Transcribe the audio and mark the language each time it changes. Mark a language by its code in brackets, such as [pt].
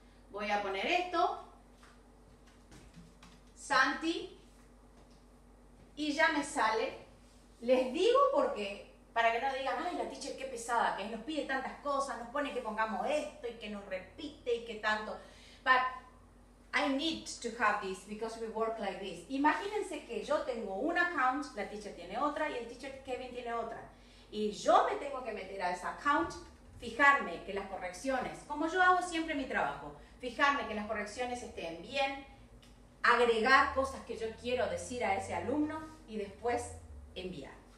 [es] Voy a poner esto. Santi. Y ya me sale. Les digo porque, para que no digan, ay, la teacher qué pesada, que nos pide tantas cosas, nos pone que pongamos esto y que nos repite y que tanto. [en] But I need to have this because we work like this. [es] Imagínense que yo tengo un account, la teacher tiene otra y el teacher Kevin tiene otra. Y yo me tengo que meter a ese account, fijarme que las correcciones, como yo hago siempre en mi trabajo, fijarme que las correcciones estén bien, agregar cosas que yo quiero decir a ese alumno y después enviar.